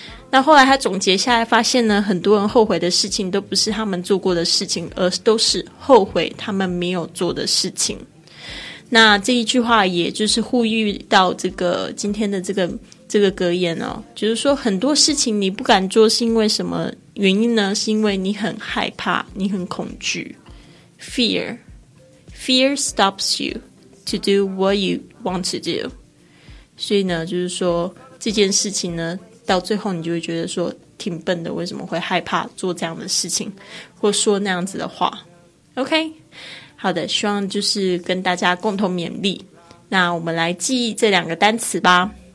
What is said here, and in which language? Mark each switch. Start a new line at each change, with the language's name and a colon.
Chinese: 那后来他总结下来发现呢，很多人后悔的事情都不是他们做过的事情，而都是后悔他们没有做的事情。那这一句话也就是呼吁到这个今天的这个格言哦，就是说很多事情你不敢做是因为什么原因呢？是因为你很害怕，你很恐惧。
English: Fear stops you to do what you want to do。
Chinese: 所以呢就是说这件事情呢到最后你就会觉得说挺笨的，为什么会害怕做这样的事情或说那样子的话。 OK， 好的，希望就是跟大家共同勉励。那我们来记忆这两个单词吧。